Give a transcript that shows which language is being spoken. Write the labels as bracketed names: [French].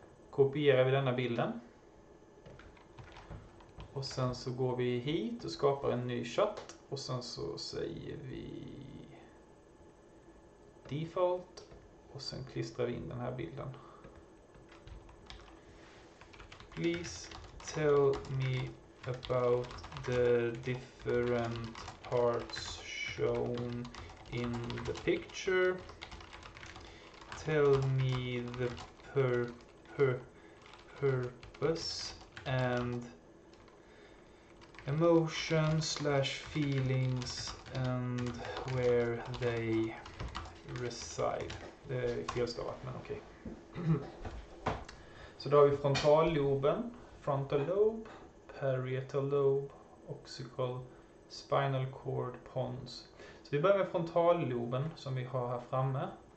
[Swedish] Kopierar vi denna bilden. Och sen så går vi hit och skapar en ny chatt. Och sen så säger vi default. Och sen klistrar vi in den här bilden. [English] Please tell me about the different parts shown in the picture. Tell me the purpose and emotions/feelings and where they reside. [Swedish] Det är felstavat, men okej. Okay. Så då har vi frontalloben, frontal lobe, [English] parietal lobe, occipital, spinal cord, pons. [Swedish] Så vi börjar med frontalloben som vi har här framme.